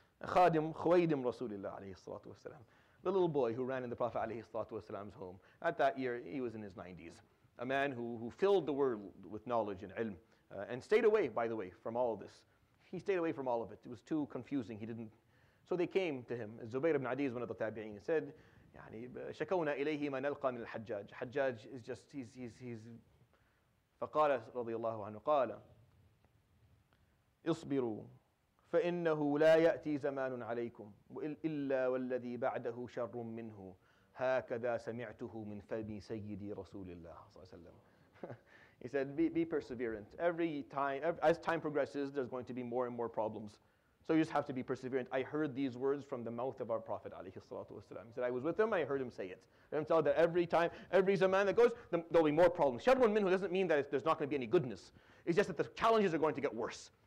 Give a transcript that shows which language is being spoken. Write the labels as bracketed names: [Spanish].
[English] Khadim Khuwaydim Rasulullah alayhi salatu wasalam. The little boy who ran in the Prophet alayhi salatu wasalam's home. At that year, he was in his 90s. A man who filled the world with knowledge and ilm. And stayed away, by the way, from all of this. He stayed away from all of it. It was too confusing. He didn't. So So they came to him. Zubayr ibn Adi is one of the tabi'een. He said, [Arabic] يعني شكونا إليه ما نلقى من الحجاج. [English] حجاج is just, he's. [Arabic] فقال رضي الله عنه قال اصبروا فإنه لا يأتي زمان عليكم إلا والذي بعده شر منه هكذا سمعته من فم سيدي رسول الله صلى الله عليه وسلم. [English] He said, be perseverant. Every time, as time progresses, there's going to be more and more problems. So you just have to be perseverant. I heard these words from the mouth of our Prophet, alayhi salatu wasalam. He said, I was with him, I heard him say it. And I'm telling that every time, every zaman that goes, there'll be more problems. Sharrun minhu doesn't mean that there's not going to be any goodness. It's just that the challenges are going to get worse.